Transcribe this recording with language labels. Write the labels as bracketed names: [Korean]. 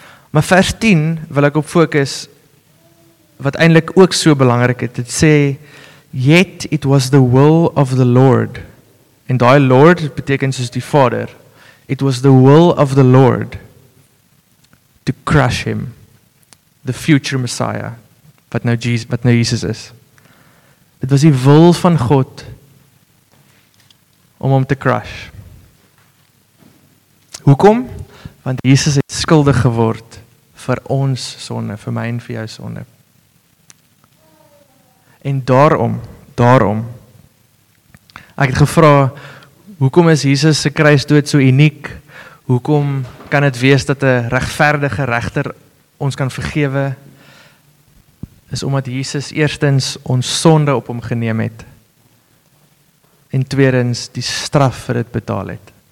[Afrikaans] Maar vers 10 wil ek op fokus, wat eindelijk ook so belangrik het, het sê, [English] yet it was the will of the Lord, [Afrikaans] en die Lord beteken soos die Vader, [English] it was the will of the Lord to crush him, the future Messiah, [Afrikaans] wat nou Jesus is. Dit was die wil van God om hom te crush. Hoekom? Want Jesus het skuldig geword vir ons sonde, vir my en vir jou sonde. En daarom, ek het gevra, hoekom is Jesus se kruisdood so uniek? Hoekom kan het wees dat 'n regverdige regter ons kan vergewe? Is omdat Jesus eerstens ons sonde op hom geneem het en tweedens die straf vir dit betaal het.